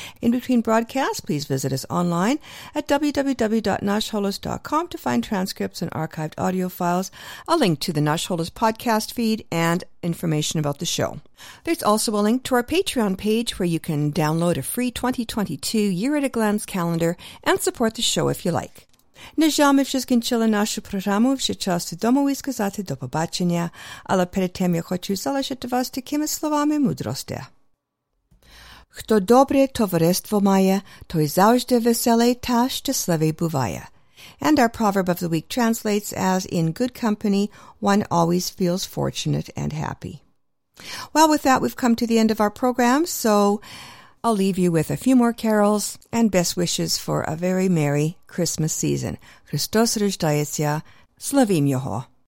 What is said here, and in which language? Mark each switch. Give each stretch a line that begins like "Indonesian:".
English: In between broadcasts, please visit us online at www.nashholos.com to find transcripts and archived audio files, a link to the Nash Holos podcast feed, and information about the show. There's also a link to our Patreon page where you can download a free 2022 Year at a Glance calendar and support the show if you like.
Ukrainian: Не жаль, що скінчили нашу програму, вже час додому і сказати до побачення, але перед тим я хочу залишити вас такими словами мудрості. Хто добре товариство має, той завжди веселий та щасливий буває.
English: And our proverb of the week translates as, in good company, one always feels fortunate and happy. Well, with that, we've come to the end of our program, so I'll leave you with a few more carols and best wishes for a very merry Christmas season.
Ukrainian: Христос рождається, славім його.